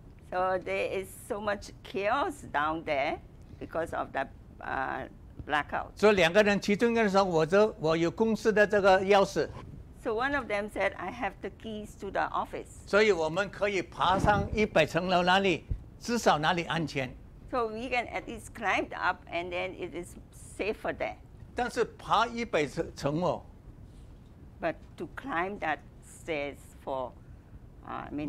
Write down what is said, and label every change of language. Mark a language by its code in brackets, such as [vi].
[en] So there is so much chaos down there because of that blackout. [zh] So 两个人其中一个人说我有公司的这个钥匙。 [en] So one of them said, I have the keys to the office. [zh] 所以我们可以爬上100层楼那里，至少那里安全。 [en] So we can at least climb up and then it is safer there. [zh] 但是爬100层哦。 [en] But to climb that stairs for, I mean.